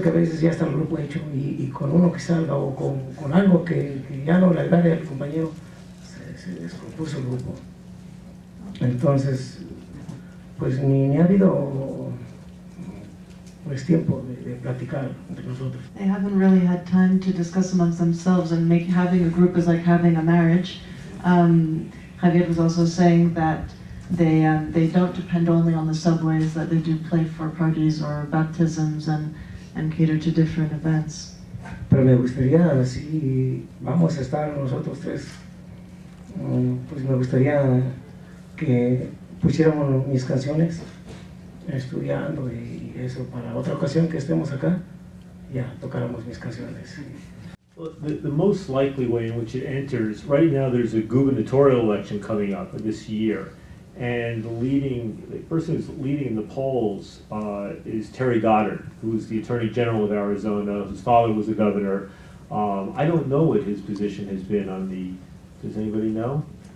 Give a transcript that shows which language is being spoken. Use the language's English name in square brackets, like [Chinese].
[Spanish] Que a veces ya está el grupo hecho y con uno que salga o con algo que ya no le agrade al compañero, se descompuso el grupo. Entonces, pues ni ha habido pues tiempo de platicar entre nosotros. [English] They haven't really had time to discuss amongst themselves, and having a group is like having a marriage. Javier was also saying that they don't depend only on the subways, that they do play for parties or baptisms and cater to different events. [Spanish] Pero me gustaría, si vamos a estar nosotros tres, pues me gustaría que pusiéramos mis canciones estudiando y eso para otra ocasión que estemos acá ya tocaremos mis canciones. [English] Well, the most likely way in which it enters right now, there's a gubernatorial election coming up this year, and the person who's leading the polls is Terry Goddard, who's the Attorney General of Arizona, whose father was a governor. I don't know what his position has been on the. Does anybody know?